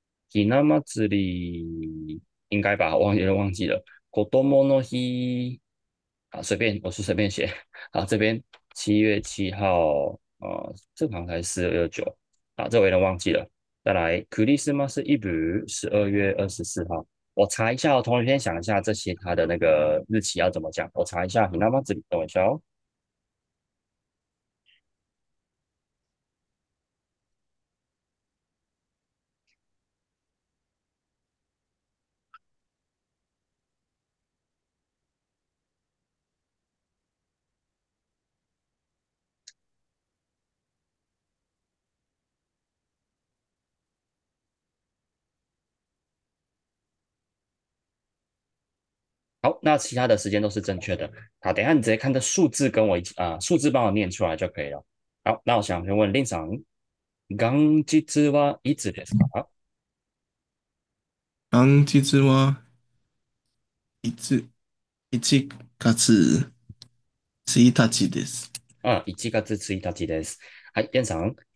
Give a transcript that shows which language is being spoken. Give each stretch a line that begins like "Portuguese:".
Chinese: ひな祭り应该吧，忘记了。こどもの日啊，随便我是随便写啊。这边7月7号这好像才4月29啊，这我有点忘记了。再来クリスマスイブ12月24号。我查一下哦，同学先想一下这些他的那个日期要怎么讲。我查一下，你那么子等我一下哦。好，那其他的时间都是正确的。好，等一下你直接看这数字跟我一起啊，数字帮我念出来就可以了。好，那我想先问令长，
Japanese: 元日はいつですか？元日は1月1日です。あ、1月1日です。はい、デンさん。